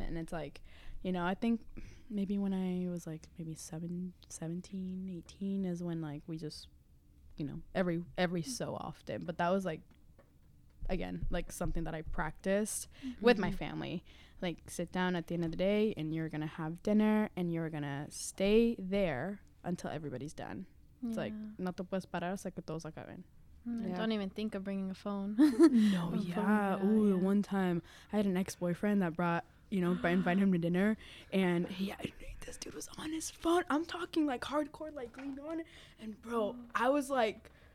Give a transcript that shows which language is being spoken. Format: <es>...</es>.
<en>And it's like, you know, I think maybe when I was like maybe 17, 18 is when like we just, you know, every so often. But that was like, again, like something that I practiced with my family, like sit down at the end of the day and you're gonna have dinner and you're gonna stay there until everybody's done. It's like,</en> <es>no te puedes parar hasta que todos acaben.</es> <en>Don't even think of bringing a phone. The one time I had an ex-boyfriend that brought, you know, invite him to dinner, and this dude was on his phone. I'm talking like hardcore, like leaned on, and bro, I was like,</en>